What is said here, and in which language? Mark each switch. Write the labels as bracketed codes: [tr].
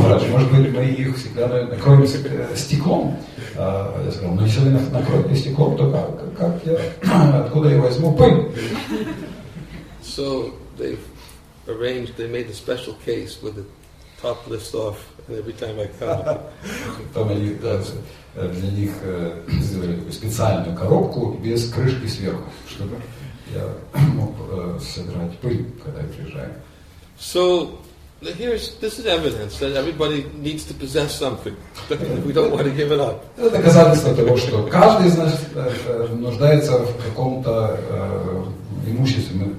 [ru] Может быть, мы их всегда накроем стеклом? Я сказал, ну если накроем стеклом, то как я, откуда я возьму пыль? [en] So they arranged, they made a special case with the top lift off, and every time I come. [ru] Там они для них сделали специальную коробку без крышки сверху, чтобы я мог собирать пыль, когда я приезжаю. [en] So, this is evidence that everybody needs to possess something. We don't want to give it up. [ru] Это доказательство того, что каждый из нас нуждается в каком-то имуществе.